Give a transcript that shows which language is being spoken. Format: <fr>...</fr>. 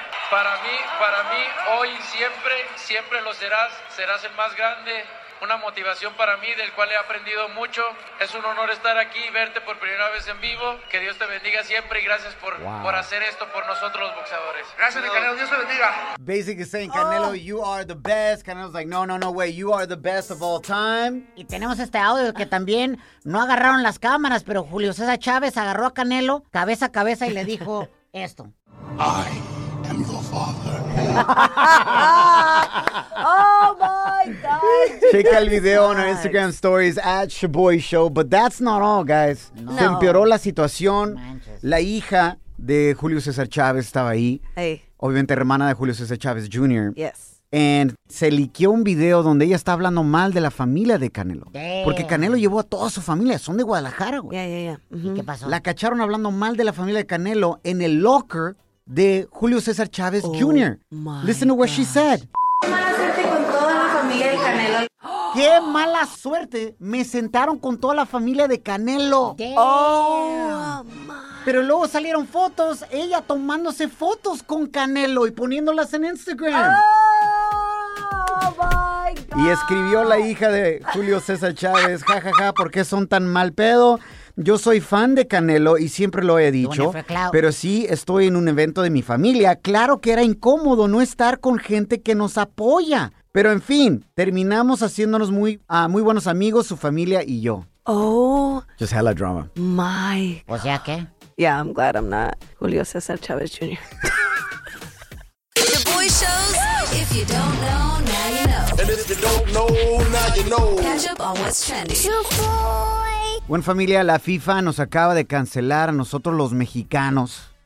<es>Para mí, hoy y siempre, siempre lo serás, serás el más grande, una motivación para mí, del cual he aprendido mucho. Es un honor estar aquí y verte por primera vez en vivo. Que Dios te bendiga siempre y gracias por, wow, por hacer esto por nosotros los boxeadores. Gracias, Canelo, Dios te bendiga.</es> <en>Basically saying, Canelo, you are the best. Canelo's like, no way, you are the best of all time.</en> <es>Y tenemos este audio que también no agarraron las cámaras, pero Julio César Chávez agarró a Canelo cabeza a cabeza y le dijo esto. Ay.</es> <en>I'm your father. Oh, my God. Check out the video on our Instagram stories at Shaboy Show. But that's not all, guys. No.</en> <es>Se empeoró la situación. Manches. La hija de Julio César Chávez estaba ahí.</es> <en>Hey.</en> <es>Obviamente, hermana de Julio César Chávez Jr.</es> <en>Yes.</en> <es>And se liqueó un video donde ella está hablando mal de la familia de Canelo.</es> <en>Damn.</en> <es>Porque Canelo llevó a toda su familia. Son de Guadalajara, güey.</es> <en>Yeah.</en> <es>Uh-huh. ¿Y qué pasó? La cacharon hablando mal de la familia de Canelo en el locker de Julio César Chávez Jr.</es> <en>Listen to what she said.</en> <es>Qué mala suerte con toda la familia de Canelo. Qué mala suerte. Me sentaron con toda la familia de Canelo. Pero luego salieron fotos, ella tomándose fotos con Canelo y poniéndolas en Instagram.</es> <en>Oh, my God.</en> <es>Y escribió la hija de Julio César Chávez, jajaja, ¿por qué son tan mal pedo? Yo soy fan de Canelo y siempre lo he dicho, pero sí estoy en un evento de mi familia. Claro que era incómodo no estar con gente que nos apoya. Pero en fin, terminamos haciéndonos muy, muy buenos amigos, su familia y yo. Oh.</es> <en>Just hella drama. My.</en> <es>O sea, ¿qué?</es> <en>Yeah, I'm glad I'm not Julio César Chávez Jr. The boy shows, if you don't know, now you know. And if you don't know, now you know. Catch up on what's trending. Your boy.</en> <es>Bueno, familia, la FIFA nos acaba de cancelar a nosotros los mexicanos.</es>